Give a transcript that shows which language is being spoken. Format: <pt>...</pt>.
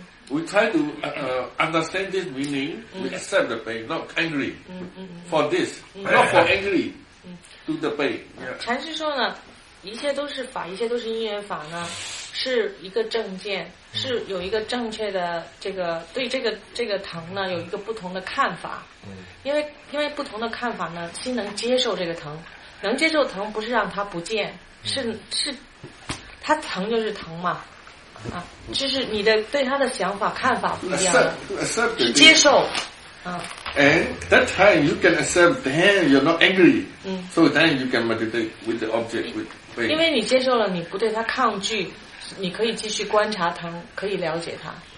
<en>We try to understand this meaning. We accept the pain, not angry for this, not for angry to the pain.</en> <zh>禅师说呢，一切都是法，一切都是因缘法呢，是一个正见，是有一个正确的这个对这个疼呢有一个不同的看法。因为不同的看法呢，心能接受这个疼，能接受疼不是让它不见，是它疼就是疼嘛，啊，就是你的对它的想法看法不一样，是接受。</zh> <en>And that time you can accept, then you're not angry. So then you can meditate with the object with pain.</en> <zh>因为你接受了，你不对它抗拒，你可以继续观察疼，可以了解它。</zh>